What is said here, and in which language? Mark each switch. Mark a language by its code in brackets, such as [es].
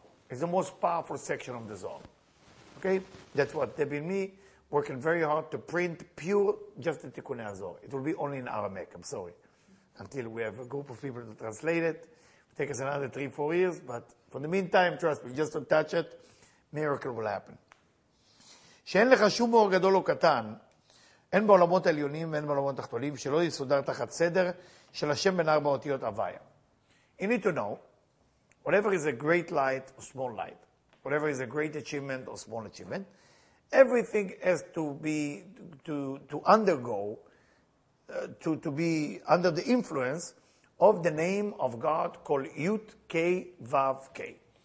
[en] It's the most powerful section of the Zohar. Okay? That's what Debbie and me working very hard to print pure, just the Tikkuni HaZohar. It will be only in Aramaic, I'm sorry. Until we have a group of people to translate it. It takes another 3-4 years, but for the meantime, trust me, just don't touch it, miracle will happen. [he] שאין לך שום אור גדול או קטן, אין בעולמות העליונים ואין בעולמות התחתונים, שלא יסודר תחת סדר של השם בין ארבע אותיות הוויה. [en] You need to know, whatever is a great light or small light, whatever is a great achievement or small achievement, everything has to be, to undergo, to be under the influence of the name of God called Yud Kei Vav Kei.